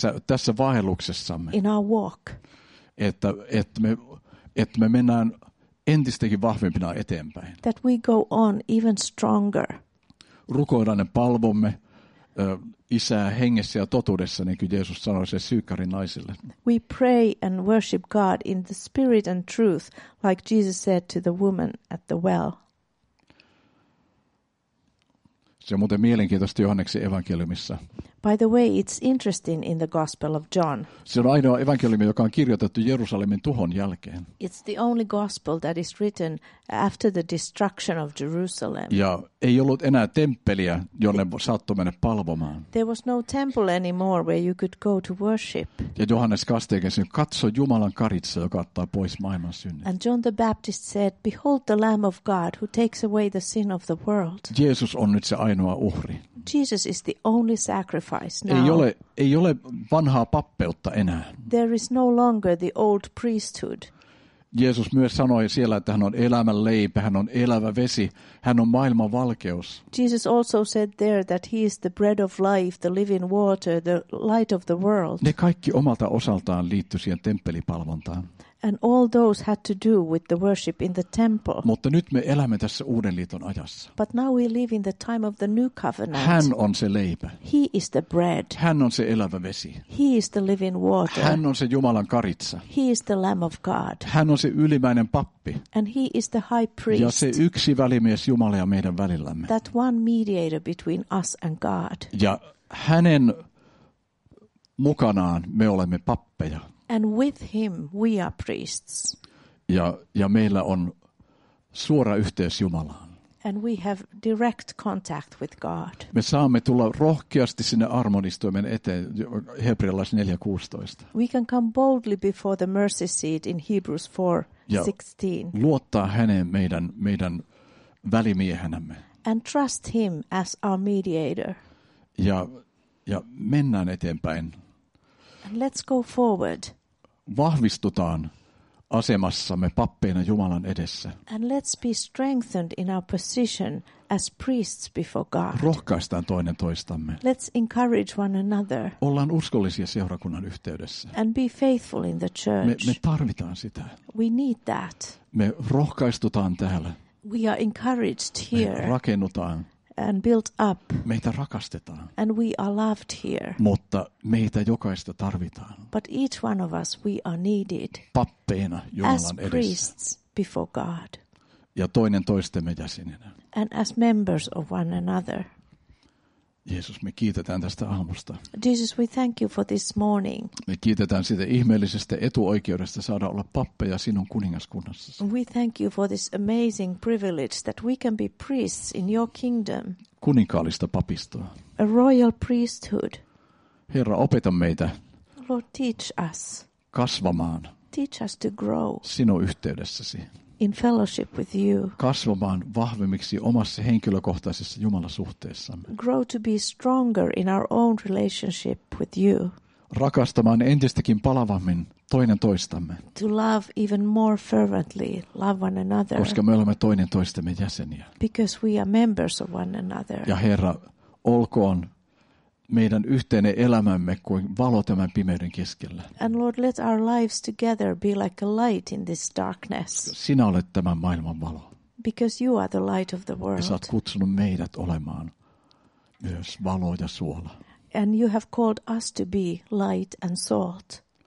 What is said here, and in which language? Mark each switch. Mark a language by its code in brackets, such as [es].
[fi] Tässä vaelluksessamme. [en] In our walk. [fi] Että me mennään entistäkin vahvempina eteenpäin. [en] That we go on even stronger. [fi] Rukoillaan ne palvomme. Isää hengessä ja totuudessa, niin kuin Jeesus sanoi sen syykkärin naisille. [en] We pray and worship God in the spirit and truth, like Jesus said to the woman at the well. [fi] Se on muuten mielenkiintoista Johanneksen evankeliumissa. [en] By the way, it's interesting in the Gospel of John. [fi] Se on ainoa evankeliumi, joka on kirjoitettu Jerusalemin tuhon jälkeen. [en] It's the only gospel that is written after the destruction of Jerusalem. [fi] Ja ei ollut enää temppeliä, jonne saattoi mennä palvomaan. [en] There was no temple anymore where you could go to worship. [fi] Ja Johannes Kastaja käsi, katso Jumalan karitsa, joka ottaa pois maailman synnin. [en] And John the Baptist said, behold the Lamb of God who takes away the sin of the world. [fi] Jeesus on nyt se ainoa uhri. [en] Jesus is the only sacrifice now. [fi] Ei ole vanhaa pappeutta enää. [en] There is no longer the old priesthood. [fi] Jeesus myös sanoi siellä, että hän on elämän leipä, hän on elävä vesi, hän on maailman valkeus. [en] Jesus also said there that he is the bread of life, the living water, the light of the world. [fi] Ne kaikki omalta osaltaan liittyy siihen temppelipalvontaan. [en] And all those had to do with the worship in the temple. [fi] Mutta nyt me elämme tässä uuden liiton ajassa. [en] But now we live in the time of the new covenant. [fi] Hän on se leipä. [en] He is the bread. [fi] Hän on se elävä vesi. [en] He is the living water. [fi] Hän on se Jumalan karitsa. [en] He is the Lamb of God. [fi] Hän on se ylimmäinen pappi. [en] And he is the high priest. [fi] Ja se yksi välimies Jumala ja meidän välillämme. [en] That one mediator between us and God. [fi] Ja hänen mukanaan me olemme pappeja. [en] And with him we are priests. [fi] Ja meillä on suora yhteys Jumalaan. [en] And we have direct contact with God. [fi] Me saamme tulla rohkeasti sinne armonistuimen eteen, Hebrealaiskirjeen 4:16. [en] We can come boldly before the mercy seat in Hebrews 4:16. [fi] Ja luottaa häneen meidän välimiehenämme. [en] And trust him as our mediator. [fi] Ja mennään eteenpäin. [en] And let's go forward. [fi] Vahvistutaan asemassamme pappeina Jumalan edessä. [en] And let's be strengthened in our position as priests before God. [fi] Rohkaistaan toinen toistamme. [en] Let's encourage one another. [fi] Ollaan uskollisia seurakunnan yhteydessä. [en] And be faithful in the church. [fi] Me tarvitaan sitä. [en] We need that. [fi] Me rohkaistutaan täällä. [en] We are encouraged here. [fi] Me rakennutaan. [en] And built up. [fi] Meitä rakastetaan. [en] And we are loved here. [fi] Mutta meitä jokaista tarvitaan. [en] But each one of us, we are needed. [fi] Pappeina Jumalan edessä. [en] As priests before God. [fi] Ja toinen toistemme jäseninä. [en] And as members of one another. [fi] Jeesus, me kiitetään tästä aamusta. [en] Jesus, we thank you for this morning. [fi] Me kiitetään siitä ihmeellisestä etuoikeudesta saada olla pappeja sinun kuningaskunnassasi. [en] We thank you for this amazing privilege that we can be priests in your kingdom. [fi] Kuninkaallista papistoa. [en] A royal priesthood. [fi] Herra, opeta meitä. [en] Lord, teach us. [fi] Kasvamaan. [en] Teach us to grow. [fi] Sinun yhteydessäsi. [en] In fellowship with you. [fi] Kasvamaan vahvemmiksi omassa henkilökohtaisessa Jumala-suhteessamme. [en] Grow to be stronger in our own relationship with you. [fi] Rakastamaan entistäkin palavammin toinen toistamme. [en] To love even more fervently, love one another. [fi] Koska me olemme toinen toistemme jäseniä. [en] Because we are members of one another. [fi] Ja Herra, olkoon meidän yhteinen elämämme kuin valo tämän pimeyden keskellä. [en] And Lord, let our lives together be like a light in this darkness. [fi] Sinä olet tämän maailman valo. [en] Because you are the light of the world. [fi] Ja sä oot kutsunut meidät olemaan myös valo ja suola. [en] And you have called us to be light and salt.